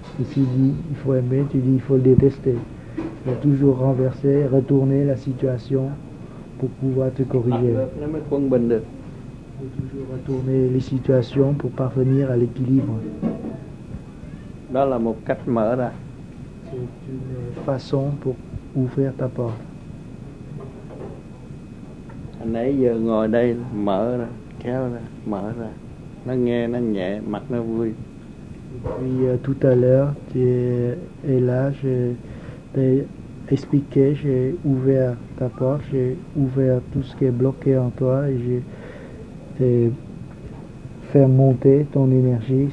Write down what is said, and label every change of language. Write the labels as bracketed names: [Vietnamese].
[French] Et s'il dit il faut aimer, tu dis il faut le détester. Il faut toujours renverser, retourner la situation pour pouvoir te corriger. Il faut toujours retourner les situations pour parvenir à l'équilibre. C'est une façon pour ouvrir ta porte. [Vietnamese] Nãy giờ ngồi đây mở ra, kéo ra, mở ra. Nó nghe, nó nhẹ, mặt nó vui. [French] Puis tout à l'heure, tu es là, je t'ai expliqué, j'ai ouvert ta porte, j'ai ouvert tout ce qui est bloqué en toi et j'ai fait monter ton énergie.